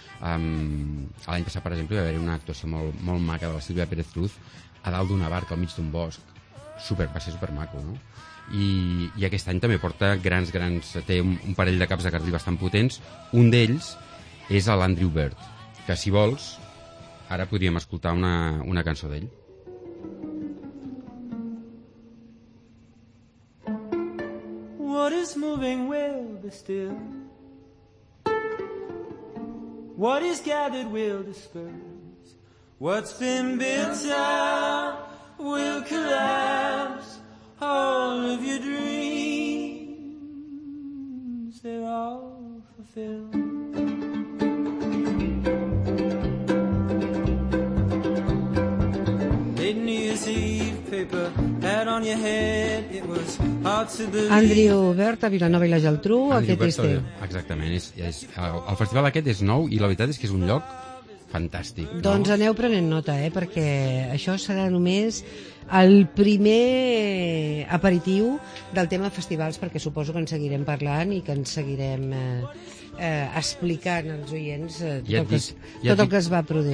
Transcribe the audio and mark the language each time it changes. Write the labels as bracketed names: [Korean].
[Catalan] L'any passat, per exemple, hi va haver una actuació molt, molt maca de la Sílvia Pérez Cruz a dalt d'una barca al mig d'un bosc. Va ser supermaco, no? I aquest any també porta grans, té un parell de caps de cartell bastant potents. Un d'ells és l'Andrew Bird, que si vols, ara podríem escoltar una cançó d'ell. [English] What is moving will be still. What is gathered will disperse. What's been built will collapse. All of your dreams, they're all fulfilled. Made New Year's Eve paper, hat on your head, it was hard to believe. [Catalan] Andrew Bird, a Vilanova i la Geltrú, aquest és teu. Exactament, és el festival aquest és nou i la veritat és que és un lloc fantàstic. No? Doncs aneu prenent nota, perquè això serà només el primer aperitiu del tema festivals, perquè suposo que en seguirem parlant i que en seguirem explicant als oients tot el que es va produir.